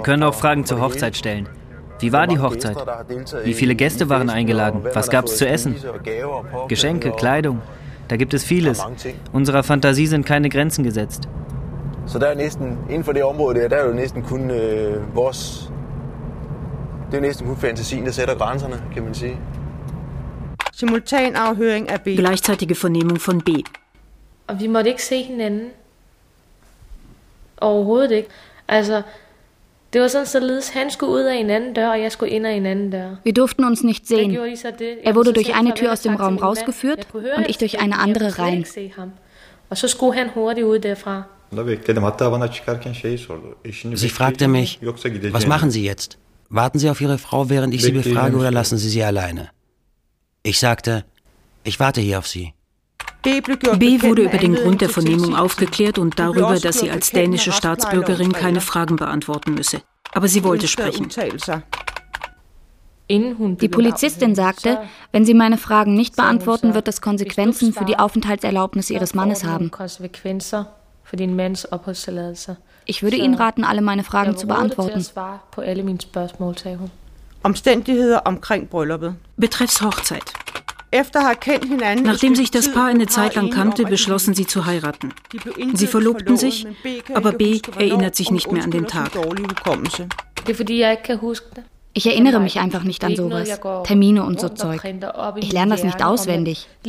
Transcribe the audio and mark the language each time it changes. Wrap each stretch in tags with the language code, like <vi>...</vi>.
<de>Wir können auch Fragen zur Hochzeit stellen. Wie war die Hochzeit? Wie viele Gäste waren eingeladen? Was gab es zu essen? Geschenke, Kleidung. Da gibt es vieles. Unserer Fantasie sind keine Grenzen gesetzt.</de> <da>Så der er næsten inden for det område der, der er jo næsten kun vores. Det er næsten kun fantasien, der sætter grænserne, kan man sige. Simultan afhøring af B.</da> <de>Gleichzeitige Vernehmung von B.</de> <da>Og vi måtte ikke se hinanden. Overhovedet ikke. Altså, det var sådan således, han skulle ud af en anden dør, og jeg skulle ind af en anden dør.</da> <de>Vi durften uns nicht sehen. Er wurde durch eine Tür aus dem Raum rausgeführt und ich durch eine andere rein.</de> <da>Og så skulle han hurtigt ud derfra.</da> <de>Sie fragte mich, was machen Sie jetzt? Warten Sie auf Ihre Frau, während ich Sie befrage, oder lassen Sie sie alleine? Ich sagte, ich warte hier auf Sie. B wurde über den Grund der Vernehmung aufgeklärt und darüber, dass sie als dänische Staatsbürgerin keine Fragen beantworten müsse. Aber sie wollte sprechen. Die Polizistin sagte, wenn sie meine Fragen nicht beantworten, wird das Konsequenzen für die Aufenthaltserlaubnis ihres Mannes haben. Ich würde Ihnen raten, alle meine Fragen zu beantworten.</de> <da>Omstændigheder omkring brylluppet.</da> <de>Betreffs Hochzeit. Nachdem sich das Paar eine Zeit lang kannte, beschlossen sie zu heiraten. Sie verlobten sich, aber B erinnert sich nicht mehr an den Tag. Ich erinnere mich einfach nicht an sowas. Termine und so Zeug. Ich lerne das nicht auswendig.</de>